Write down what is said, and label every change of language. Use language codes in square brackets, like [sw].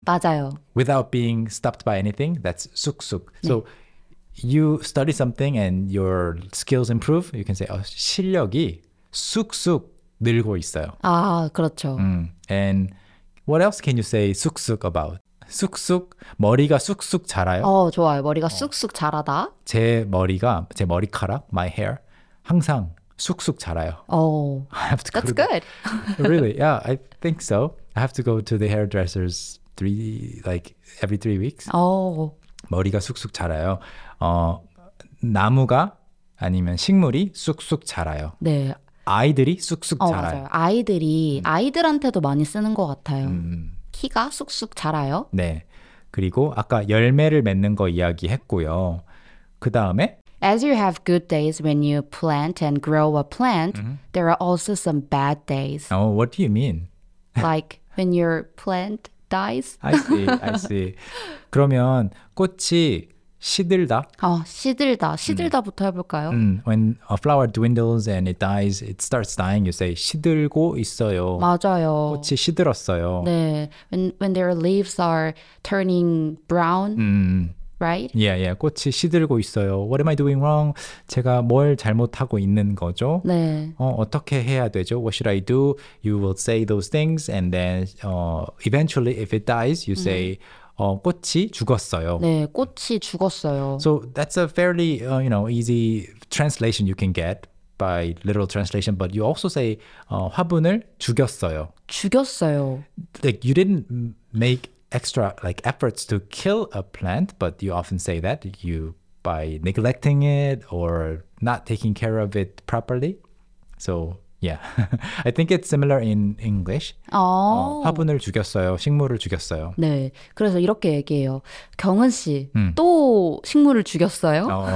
[ko] 맞아요. [en] Without being stopped by anything. That's 쑥쑥. [ko] 네. [en] So you study something and your skills improve. You can say [ko] 어, 실력이 쑥쑥 늘고 있어요. 아, 그렇죠. [en] And what else can you say 쑥쑥 about? [ko] 쑥쑥, 머리가 쑥쑥 자라요. 어, 좋아요. 머리가 쑥쑥 자라다. 제 머리가, 제 머리카락, [en] my hair, [ko] 항상 쑥쑥 자라요. [en] Oh, that's good. Really, yeah, I think so. I have to go to the hairdressers every three weeks. Oh. [ko] 머리가 쑥쑥 자라요. 어, 나무가 아니면 식물이 쑥쑥 자라요. 네. 아이들이 쑥쑥 자라요. 맞아요. 아이들이, 아이들한테도 많이 쓰는 것 같아요. 키가 쑥쑥 자라요. 네. 그리고 아까 열매를 맺는 거 이야기했고요. 그 다음에 [en] As you have good days when you plant and grow a plant, there are also some bad days. Oh, what do you mean? Like when your plant dies? I see. [ko] 그러면 꽃이 시들다? 아, 시들다. 시들다부터 해볼까요? [en] When a flower dwindles and it dies, it starts dying, you say [ko] 시들고 있어요. 맞아요. 꽃이 시들었어요. [en] 네. When their leaves are turning brown, right? Yeah, yeah. [ko] 꽃이 시들고 있어요. [en] What am I doing wrong? [ko] 제가 뭘 잘못하고 있는 거죠? 네. 어떻게 해야 되죠? [en] What should I do? You will say those things and then eventually if it dies, you say [ko] 꽃이 죽었어요. 네, 꽃이 죽었어요. [en] So that's a fairly, you know, easy translation you can get by literal translation, but you also say [ko] 화분을 죽였어요. 죽였어요. [en] Like you didn't make extra like efforts to kill a plant, but you often say that you by neglecting it or not taking care of it properly. So yeah, I think it's similar in English. Oh. [ko] 화분을 죽였어요. 식물을 죽였어요. 네, 그래서 이렇게 얘기해요. 경은 씨, 또 식물을 죽였어요?